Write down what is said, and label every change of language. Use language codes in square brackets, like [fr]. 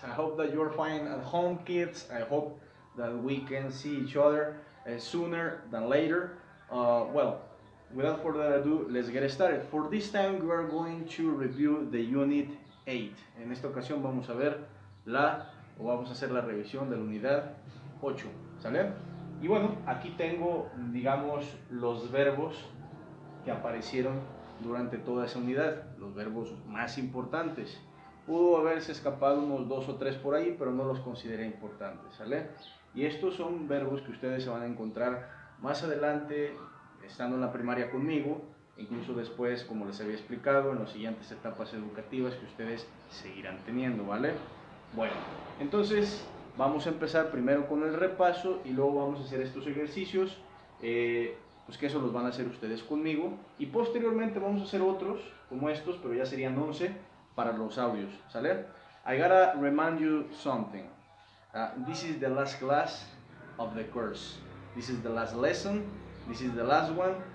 [en] I hope that you're fine at home, kids. I hope that we can see each other sooner than later. Well, without further ado, let's get started. For this time, we are going to review the Unit 8. [es] En esta ocasión vamos a ver la revisión de la Unidad 8. ¿Sale? Y bueno, aquí tengo, digamos, los verbos que aparecieron durante toda esa unidad, los verbos más importantes. Pudo haberse escapado unos dos o tres por ahí, pero no los consideré importantes, ¿sale? Y estos son verbos que ustedes se van a encontrar más adelante, estando en la primaria conmigo, incluso después, como les había explicado, en las siguientes etapas educativas que ustedes seguirán teniendo, ¿vale? Bueno, entonces vamos a empezar primero con el repaso y luego vamos a hacer estos ejercicios, pues que eso los van a hacer ustedes conmigo. Y posteriormente vamos a hacer otros, como estos, pero ya serían 11 para los audios, ¿sale? [en] I gotta remind you something. This is the last class of the course. This is the last lesson. This is the last one.